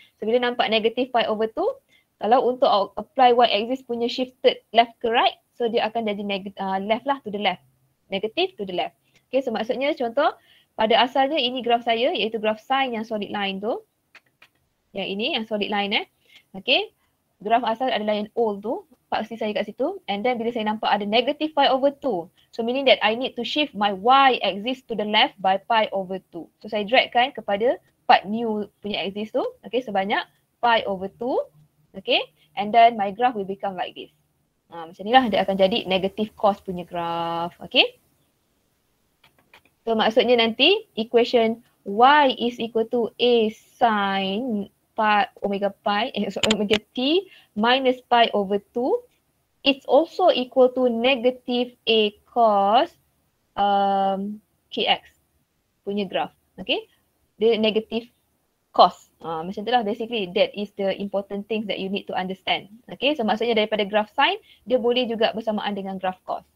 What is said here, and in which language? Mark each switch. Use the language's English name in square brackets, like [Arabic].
[English] So bila nampak -pi/2, kalau untuk apply Y axis punya shifted left ke right, so dia akan jadi left lah, to the left. Negative to the left. [Malay] Okay, so maksudnya contoh pada asalnya ini graf saya, iaitu graf sine yang solid line tu. Yang ini yang solid line eh. Okay, graf asal adalah yang old tu. Paksi saya kat situ. And then bila saya nampak ada -pi/2. [English] So meaning that I need to shift my Y axis to the left by pi/2. [Malay] So saya dragkan kepada part new punya axis tu. [English] Okay, sebanyak pi/2. Okay, and then my graph will become like this. [Malay] Macam ni lah, dia akan jadi negative cos punya graph. [English] Okay, so maksudnya nanti equation Y is equal to A sin pi omega pi, omega T minus pi/2 is also equal to negative A cos KX punya graph. [Malay] Okay, dia negative cos. Macam tu lah [English] basically, that is the important thing that you need to understand. [Malay] Okay, so maksudnya daripada graph sin, dia boleh juga bersamaan dengan graph cos.